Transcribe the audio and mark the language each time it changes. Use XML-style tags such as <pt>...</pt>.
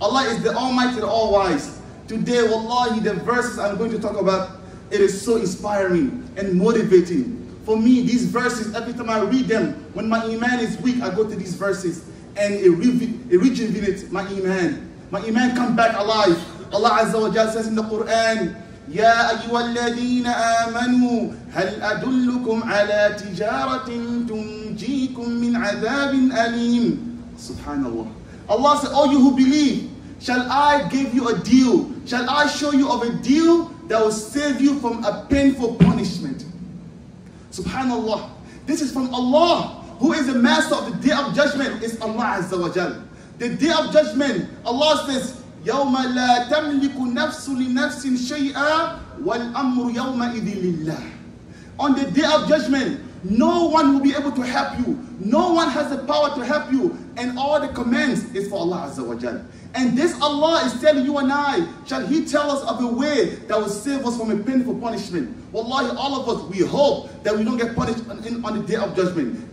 <en>Allah is the Almighty, the All-Wise. Today, wallahi, the verses I'm going to talk about, it is so inspiring and motivating. For me, these verses, every time I read them, when my iman is weak, I go to these verses, and it rejuvenates my iman. My iman comes back alive. Allah Azza wa Jalla says in the Quran,</en> <ar>يا أيها الذين آمنوا هل أدلكم على تجارة تنجيكم من عذاب أليم. سبحان الله.</ar> <en>Allah said, oh you who believe, shall I give you a deal? Shall I show you of a deal that will save you from a painful punishment? Subhanallah. This is from Allah, who is the master of the day of judgment. It's Allah Azza wa Jal. The day of judgment, Allah says,</en> <ar>يَوْمَ لَا تَمْلِكُ نَفْسُ لِنَفْسٍ شَيْئًا وَالْأَمْرُ يَوْمَئِذِ لِلَّهِ.</ar> <en>On the day of judgment, no one will be able to help you. No one has the power to help you. And all the commands is for Allah Azza wa Jal. And this Allah is telling you and I, shall He tell us of a way that will save us from a painful punishment? Wallahi, all of us, we hope that we don't get punished on the day of judgment.</en>